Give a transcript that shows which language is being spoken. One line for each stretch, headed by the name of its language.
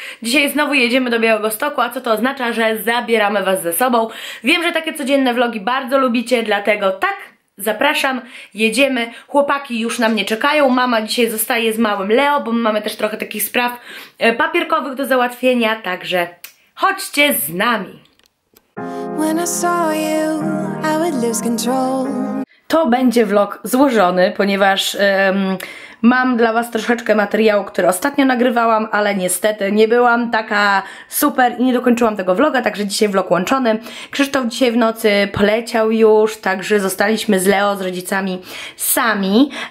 Polish: Dzisiaj znowu jedziemy do Białegostoku, a co to oznacza, że zabieramy Was ze sobą. Wiem, że takie codzienne vlogi bardzo lubicie, dlatego tak, zapraszam, jedziemy. Chłopaki już na mnie czekają, mama dzisiaj zostaje z małym Leo, bo my mamy też trochę takich spraw papierkowych do załatwienia, także chodźcie z nami.
English: When I saw you, I would lose control.
Polish: To będzie vlog złożony, ponieważ mam dla Was troszeczkę materiału, który ostatnio nagrywałam, ale niestety nie byłam taka super i nie dokończyłam tego vloga, także dzisiaj vlog łączony. Krzysztof dzisiaj w nocy poleciał już, także zostaliśmy z Leo, z rodzicami sami.